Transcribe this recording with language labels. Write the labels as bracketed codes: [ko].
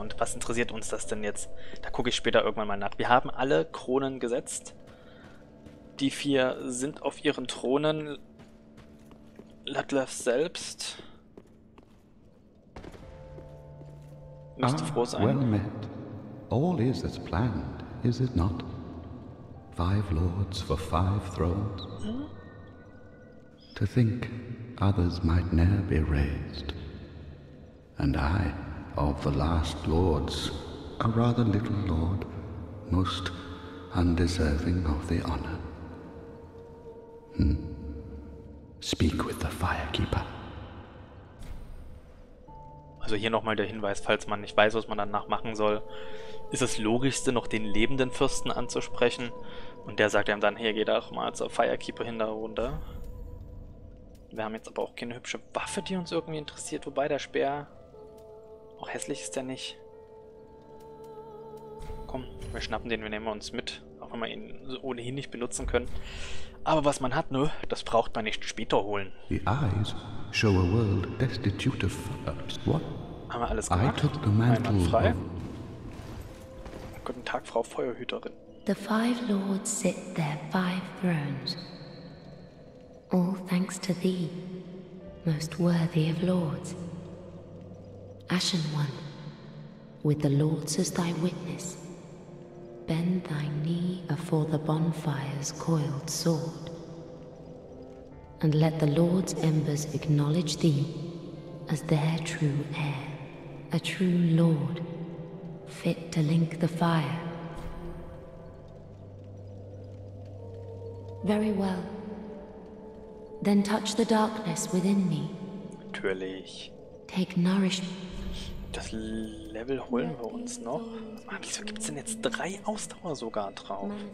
[de] Und was interessiert uns das denn jetzt? Da gucke ich später irgendwann mal nach. Wir haben alle Kronen gesetzt. Die vier sind auf ihren Thronen. Ludlaff selbst müsste froh sein. [en] Well met. All is as planned, is it not? Five lords for five thrones. To think others might ne'er be raised. And I, of the last lords, a rather little lord, most undeserving of the honor. Speak with the Firekeeper. [de] Also hier nochmal der Hinweis, falls man nicht weiß, was man danach machen soll. Ist es logischste, noch den lebenden Fürsten anzusprechen? Und der sagt ihm dann, hier, geht auch mal zur Firekeeper hin da runter. Wir haben jetzt aber auch keine hübsche Waffe, die uns irgendwie interessiert. Wobei der Speer, auch hässlich ist der nicht. Komm, wir schnappen den, wir nehmen uns mit. Auch wenn wir ihn so ohnehin nicht benutzen können. Aber was man hat, nur, das braucht man nicht später holen. [en] The eyes show a world destitute of furs. What? [de] Haben wir alles gemacht? [en] I took the mantle [de] frei. Guten Tag, Frau Feuerhüterin. [en] The five lords sit their five thrones. All thanks to thee, most worthy of lords. Ashen One, with the lords as thy witness, bend thy knee afore the bonfire's coiled sword, and let the lord's embers acknowledge thee as their true heir, a true lord, fit to link the fire. Very well. Then touch the darkness within me. [de] Natürlich. [en] Take nourishment. [de] Das Level holen wir uns noch. Ah, wieso gibt's denn jetzt drei Ausdauer sogar drauf?